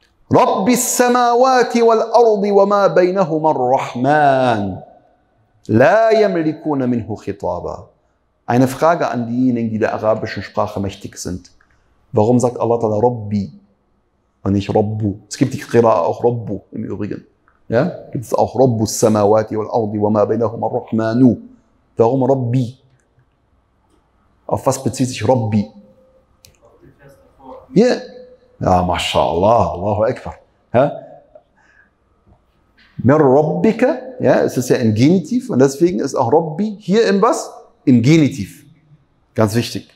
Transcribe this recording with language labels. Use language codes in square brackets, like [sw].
[ar] رَبِّ السَّمَاوَاتِ وَالْأَرْضِ وَمَا بَيْنَهُمَا الرَّحْمَنِ لَا يَمْلِكُونَ مِنْهُ خِطَابًا. [de] Eine Frage an diejenigen, die der arabischen Sprache mächtig sind. Warum sagt Allah Ta'ala Rabbi und nicht Rabbu? Es gibt die Qira'a auch Rabbu im Übrigen. Ja? Gibt es auch [ar] رَبُّ السَّمَاوَاتِ وَالْأَرْضِ وَمَا بَيْنَهُمَا الرَّحْمَنُ. [de] Warum Rabbi? Auf was bezieht sich Rabbi? Ja, ja, mashallah, Allahu Akbar. Mer Rabbika, ja, es ist ja im Genitiv und deswegen ist auch Rabbi hier im was? Im Genitiv. Ganz wichtig.